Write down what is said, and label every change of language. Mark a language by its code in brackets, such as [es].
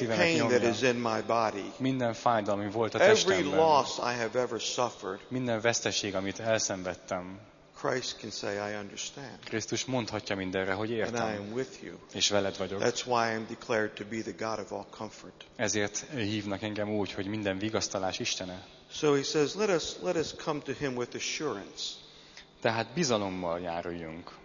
[en] every pain that is in my body, [hu] minden fájdalom, ami volt a [en] every [hu] testemben, [en] every loss I have ever suffered, [hu] minden veszteség, amit elszenvedtem. [en] Christ can say, I understand. [hu] Krisztus mondhatja mindenre, hogy értem. [en] And I am with you. [hu] És veled vagyok. [en] That's why I am declared to be the God of all comfort. [hu] Ezért hívnak engem úgy, hogy minden vigasztalás Istene. [en] So he says, let us come to him with assurance. [hu] Tehát bizalommal járuljunk.